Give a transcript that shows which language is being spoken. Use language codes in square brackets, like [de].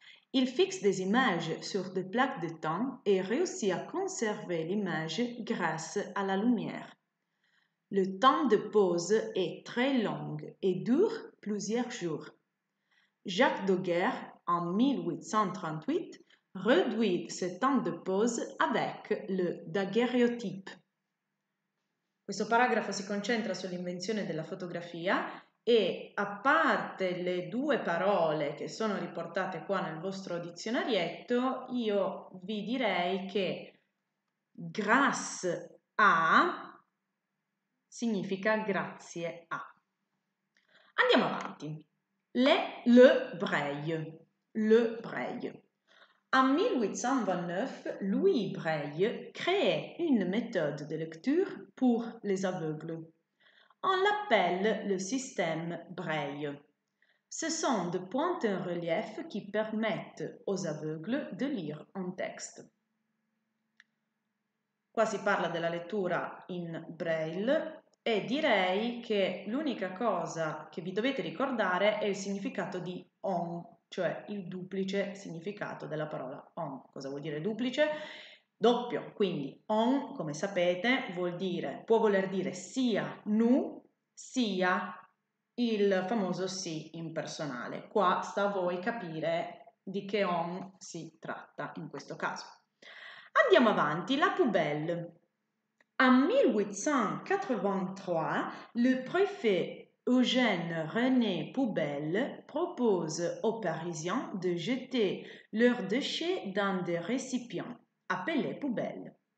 [fr] Il fixe des images sur des plaques de temps et réussit à conserver l'image grâce à la lumière. Le temps de pose est très long et dure plusieurs jours. Jacques Daguerre, en 1838, réduit ce temps de pose avec le daguerreotype. [it] Questo paragrafo si concentra sull'invenzione della fotografia e, a parte le due parole che sono riportate qua nel vostro dizionarietto, io vi direi che grâce à significa grazie a. Andiamo avanti. Le Breuil. [fr] Le Breuil. En 1829, Louis Breuil crée une méthode de lecture pour les aveugles. On l'appelle le système Breuil. Ce sont des points en relief qui permettent aux aveugles de lire un texte. [it] Qua si parla della lettura in Braille e direi che l'unica cosa che vi dovete ricordare è il significato di on, cioè il duplice significato della parola on. Cosa vuol dire duplice? Doppio, quindi on, come sapete, può voler dire sia nu, sia il famoso sì impersonale. Qua sta a voi capire di che on si tratta in questo caso. Andiamo avanti, la poubelle. [fr] En 1883, le préfet Eugène René Poubelle propose aux Parisiens de jeter leurs déchets dans des récipients appelés poubelles.